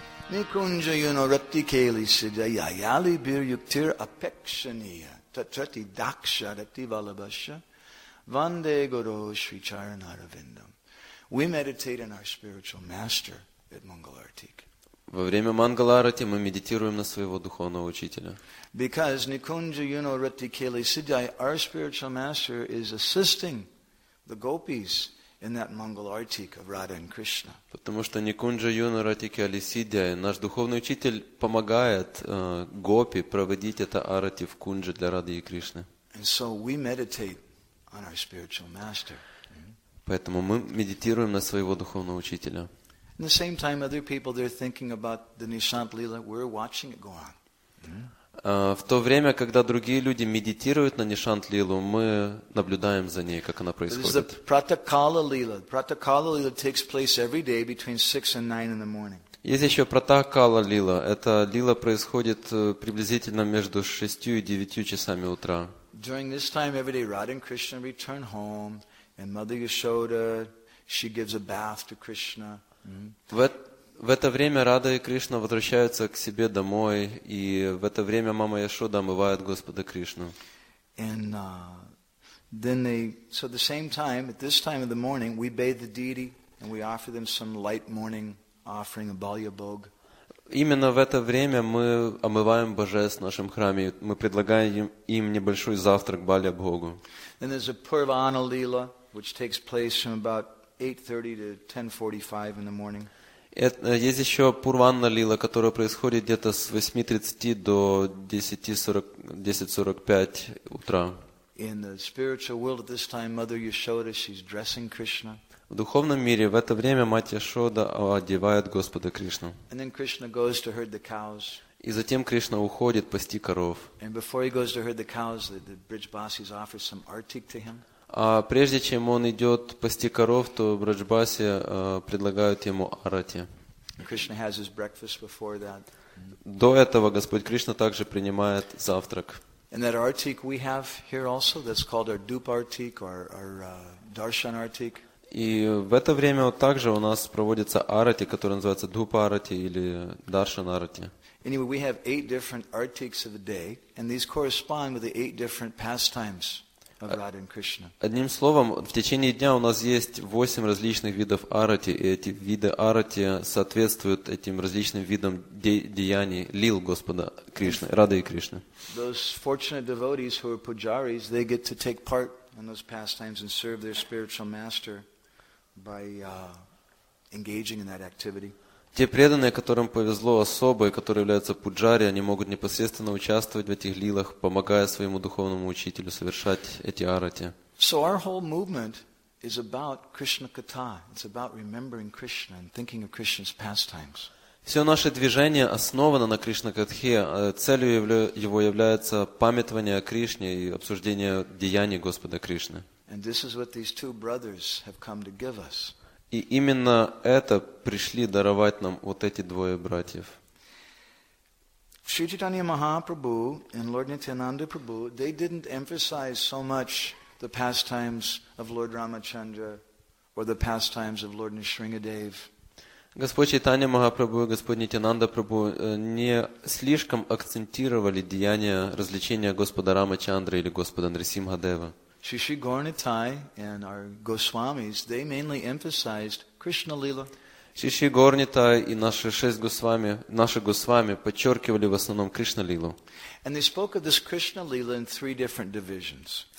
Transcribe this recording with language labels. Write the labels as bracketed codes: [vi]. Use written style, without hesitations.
[sa] Nikunja Yuno Ratti Keli Siddha Yayali Bir Yuktir Apekshaniya Tatrati Dakshadati Valabhasya Vande Guru Sri Charanaravindam. [en] We meditate on our spiritual master at Mangal Artik. [ru] Во время Мангала Арати мы медитируем на своего духовного учителя. [en] Because [sa] Nikunja Yuno Ratti Keli Siddha, [en] our spiritual master is assisting the gopis in that Mangal Artik of Radha and Krishna. [ru] Потому что [sa] Nikunja Yuno Ratti Keli Siddha, [ru] наш духовный учитель, помогает гопи проводить это арати в кунже для Рады и Кришны. [en] And so we meditate on our spiritual master. [ru] Поэтому мы медитируем на своего духовного учителя. [en] In the same time, other people they're thinking about the Nishant Lila. We're watching it go on. [ru] В то время, когда другие люди медитируют на Нишант Лилу, мы наблюдаем за ней, как она происходит. [en] This is the Pratakala Lila. Pratakala Lila takes place every day between 6 and 9 in the morning. [ru] Есть еще Пратакала Лила. Эта лила происходит приблизительно между 6 и 9 часами утра. [en] During this time every day, Radha and Krishna return home, and Mother Yashoda she gives a bath to Krishna. [ru] В это время Рада и Кришна возвращаются к себе домой, и в это время мама Яшода омывает Господа Кришну. [en] And then they, so at the same time, at this time of the morning, we bathe the deity and we offer them some light morning offering of Balya Bhog. [ru] Именно в это время мы омываем божеств в нашем храме, мы предлагаем им небольшой завтрак Балья Богу. [en] Then there's a Purvana Lila, which takes place from about 8:30 to 10:45 in the morning. [ru] Есть еще Пурванна Лила, которая происходит где-то с 8:30 до 10:45 утра. [en] In the spiritual world at this time, Mother Yashoda, she's dressing Krishna. [ru] В духовном мире в это время мать Яшода одевает Господа Кришну. [en] And then Krishna goes to herd the cows. [ru] И затем Кришна уходит пасти коров. [en] And before he goes to herd the cows, the Brijbasis offer some artik to him. [ru] А прежде чем он идет пасти коров, то Браджбаси предлагают ему арати. [en] Krishna has his breakfast before that. [ru] До этого Господь Кришна также принимает завтрак. [en] And that artik we have here also, that's called our dup artik or our darshan artik. [ru] И в это время вот также у нас проводится арати, которая называется дупа арати или даршан арати. [en] Anyway, we have eight different artiks of the day, and these correspond with the eight different pastimes of Radha and Krishna. [ru] Одним словом, в течение дня у нас есть восемь различных видов арати, и эти виды арати соответствуют этим различным видам деяний лил Господа Кришны, Рады и Кришны. [en] Those fortunate devotees who are pujaris, they get to take part in those pastimes and serve their spiritual master by engaging in that activity. [ru] Те преданные, которым повезло особо и которые являются пуджари, они могут непосредственно участвовать в этих лилах, помогая своему духовному учителю совершать эти арати. [en] So our whole movement is about Krishna Katha. It's about remembering Krishna and thinking of Krishna's pastimes. [ru] Все наше движение основано на Кришна Катхе. Целью его является памятование о Кришне и обсуждение деяний Господа Кришны. [en] And this is what these two brothers have come to give us. [ru] И именно это пришли даровать нам вот эти двое братьев. [en] Шри Чайтанья Махапрабху и Лорд Нитьянанда Прабху, they didn't emphasize so much the pastimes of Lord Ramachandra or the pastimes of Lord Nisringadev. [ru] Господь Чайтанья Махапрабху и Господь Нитьянанда Прабху не слишком акцентировали деяния развлечения Господа Рамачандры или Господа Нрисимхадева. [en] Shri Shri Gaurinitai and our Goswamis, they mainly emphasized Krishna Lila. [ru] Shri Shri Gaurinitai и наши шесть Госвами, наши Госвами подчеркивали в основном Кришна Лилу. [en] And they spoke of this Krishna Lila in three different divisions.